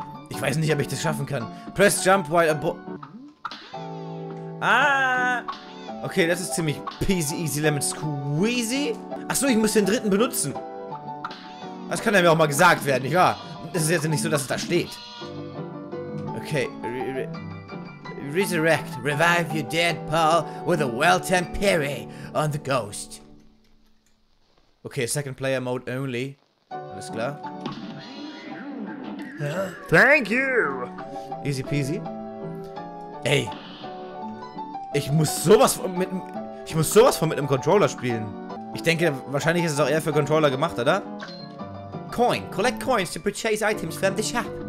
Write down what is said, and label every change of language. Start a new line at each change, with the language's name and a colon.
German: Ich weiß nicht, ob ich das schaffen kann.
English: Press jump while a bo-
German: Ah! Okay, das ist ziemlich
English: peasy, easy, lemon squeezy.
German: Achso, ich muss den dritten benutzen. Das kann ja mir auch mal gesagt werden, nicht wahr? Das ist jetzt nicht so, dass es da steht. Okay.
English: Resurrect. Revive your dead pal with a well-tempered parry on the ghost. Okay, second player mode only.
German: Alles klar.
English: Thank you. Easy peasy. Ey.
German: Ich muss sowas von mit einem Controller spielen. Ich denke, wahrscheinlich ist es auch eher für Controller gemacht, oder?
English: Coin. Collect coins to purchase items from the shop.